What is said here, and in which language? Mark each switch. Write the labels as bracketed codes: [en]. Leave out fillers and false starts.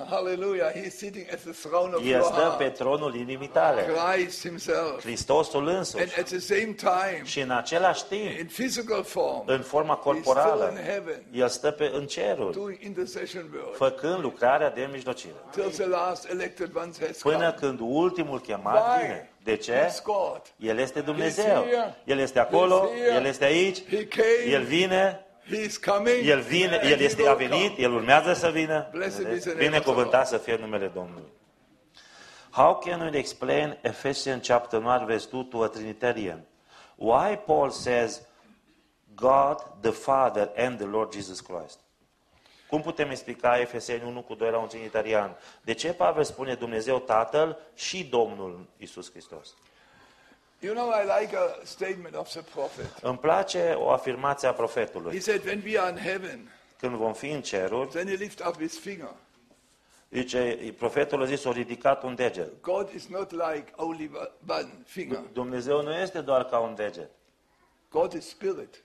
[en] Hallelujah, he's sitting at the throne of God. [ro] El stă pe tronul inimii tale. [en] Christ himself. [ro] Hristosul însuși. [en] And at the same time. [ro] Și în același timp. [en] In physical form. [ro] În forma corporală. [en] He's still in heaven. [ro] El stă pe în ceruri. [en] Doing intercession work. [ro] Făcând lucrarea de mijlocire. [en] Till the last elected one has come. [ro] Până când ultimul chemat vine. De ce? El este Dumnezeu. El este acolo, el este aici. El vine. El vine, el este a venit, el urmează să vină. Binecuvântat să fie numele Domnului. [en] How can we explain Ephesians chapter 9 verse 2 to a Trinitarian? Why Paul says God the Father and the Lord Jesus Christ? [ro] Cum putem explica Efeseni 1 cu 2 la un trinitarian? De ce Pavel spune Dumnezeu Tatăl și Domnul Iisus Hristos? [en] You know, I like a statement of the prophet. [ro] Îmi place o afirmație a profetului. [en] He said, when we are in heaven, [ro] când vom fi în ceruri, [en] then he lift up his finger. [ro] Zice, profetul a zis, a ridicat un deget. [en] God is not like only one finger. [ro] Dumnezeu nu este doar ca un deget. [en] God is spirit.